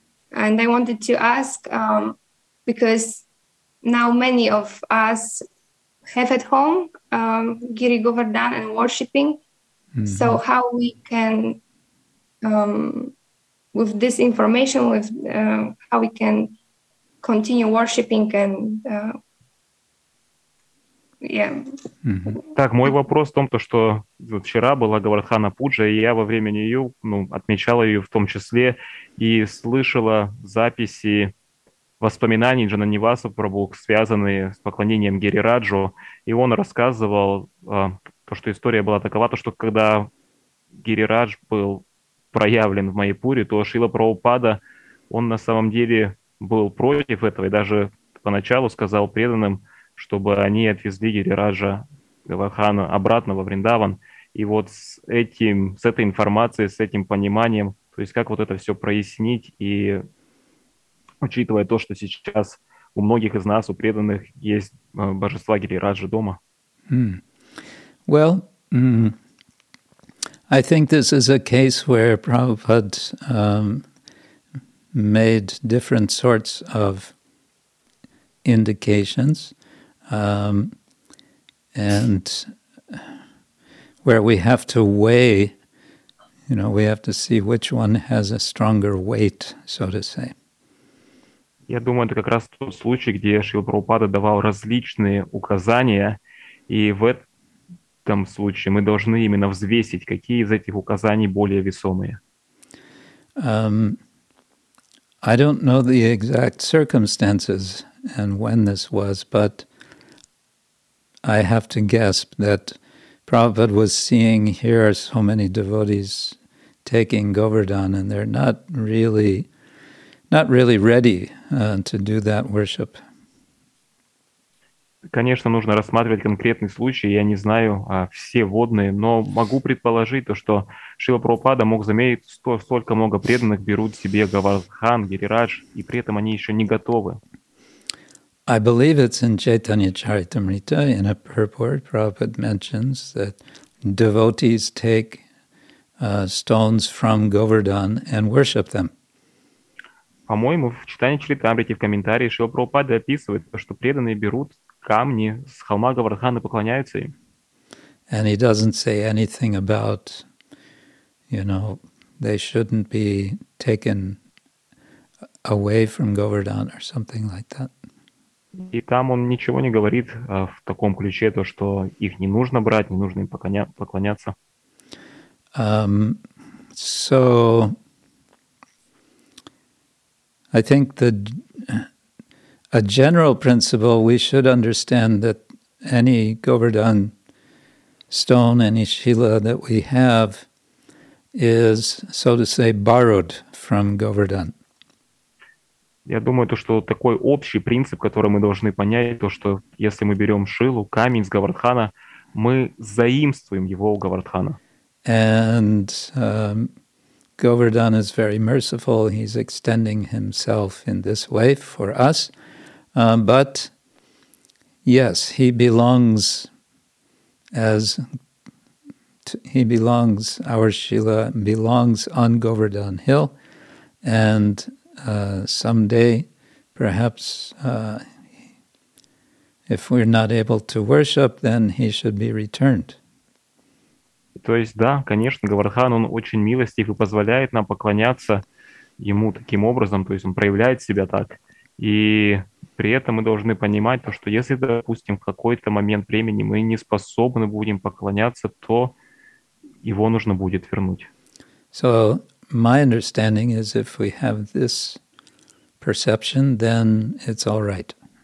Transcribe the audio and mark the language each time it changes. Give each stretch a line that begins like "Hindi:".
English: And I wanted to ask, because now many of us have at home Giri Govardhan and worshipping. Mm-hmm. So how we can, with this information, with how we can continue worshipping and
Russian: Так, мой вопрос в том, то, что вчера была Говардхана Пуджа, и я во время нее ну, отмечала ее в том числе и слышала записи воспоминаний Джананиваса Прабху, связанные с поклонением Гирираджу. И он рассказывал, то, что история была такова, то, что когда Гирирадж был проявлен в Майяпуре, то Шрила Прабхупада, он на самом деле был против этого и даже поначалу сказал преданным, чтобы они отвезли Гирираджа Говардхана обратно во Вриндаван. И вот с этим, с этой информацией, с этим пониманием, то есть как вот это все прояснить, и учитывая то, что сейчас у многих из нас, у преданных, есть божества Гирираджа дома.
English: Well, I think this is a case where Prabhupada made different sorts of indications. And where we have to weigh, you know, we have to see which one has a stronger weight, so to say.
Russian: Я думаю, это как раз тот случай, где Шрила Прабхупада давал различные указания, и в этом случае мы должны именно взвесить, какие из этих указаний более весомые.
English: I don't know the exact circumstances and when this was, but I have to guess that Prabhupada was seeing here so many devotees taking Govardhan, and they're not really ready to do that worship.
Russian: Конечно, нужно рассматривать конкретный случай. Я не знаю все водные, но могу предположить то, что Шрила Прабхупада мог заметить, что столько много преданных берут себе Говардхан, Гирирадж, и при этом они еще не готовы.
English: I believe it's in Chaitanya Charitamrita, in a purport, Prabhupada mentions that devotees take stones from Govardhan and worship them.
Russian: По-моему, в Chaitanya Charitamrita, в комментарии, Шрила Прабхупада описывает, что преданные берут камни с холма Говардхана и поклоняются им.
English: And he doesn't say anything about, you know, they shouldn't be taken away from Govardhan or something like that.
Russian: И там он ничего не говорит в таком ключе, то, что их не нужно брать, не нужно им поклоняться.
English: So, I think that a general principle, we should understand that any Govardhan stone, any Shila that we have is, so to say, borrowed from Govardhan.
Russian: Я думаю, то, что такой общий принцип, который мы должны понять, то, что если мы берем шилу, камень с Говардхана, мы заимствуем его у Говардхана.
English: And Govardhan is very merciful. He's extending himself in this way for us. But, yes, he belongs, our shila belongs on Govardhan Hill. And someday, perhaps, if we're not able to worship, then he should be returned.
Russian: То есть, да, конечно, Говардхан, он очень милостив и позволяет нам поклоняться ему таким образом, то есть он проявляет себя так. И при этом мы должны понимать то, что если, допустим, в какой-то момент времени мы не способны будем поклоняться, то его нужно будет вернуть.
English: So, my understanding is if we have this perception, then it's all right.